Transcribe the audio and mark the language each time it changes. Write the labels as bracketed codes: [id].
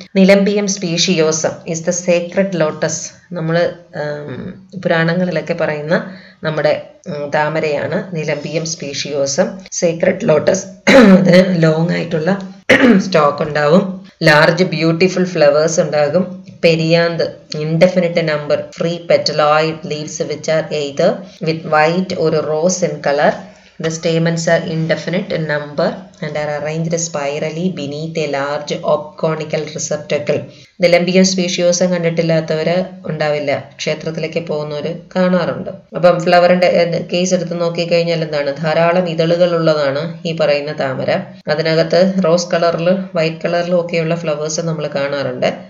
[ml] നിലംബിയം സ്പീഷിയോസം [en] Is the sacred lotus. [ml] നമ്മൾ പുരാണങ്ങളിലൊക്കെ പറയുന്ന നമ്മുടെ താമരയാണ് നിലംബിയം സ്പീഷിയോസം, സേക്രഡ് ലോട്ടസ്. അതിന് ലോങ് ആയിട്ടുള്ള സ്റ്റോക്ക് ഉണ്ടാവും, [en] large beautiful flowers [ml] ഉണ്ടാകും, [en] Perianth, indefinite number free petaloid leaves which are either with white ഒരു rose in colour, The stamens are indefinite in number and are arranged spirally beneath a large obconical receptacle. [ml] നിലമ്പിയ സ്പീഷ്യോസും കണ്ടിട്ടില്ലാത്തവര് ഉണ്ടാവില്ല. ക്ഷേത്രത്തിലേക്ക് പോകുന്നവര് കാണാറുണ്ട്. അപ്പം ഫ്ലവറിന്റെ case എടുത്ത് നോക്കിക്കഴിഞ്ഞാൽ എന്താണ്, ധാരാളം ഇതളുകൾ ഉള്ളതാണ് ഈ പറയുന്ന താമര. അതിനകത്ത് റോസ് കളറിൽ വൈറ്റ് കളറിലും ഒക്കെയുള്ള ഫ്ലവേഴ്സ് നമ്മൾ കാണാറുണ്ട്.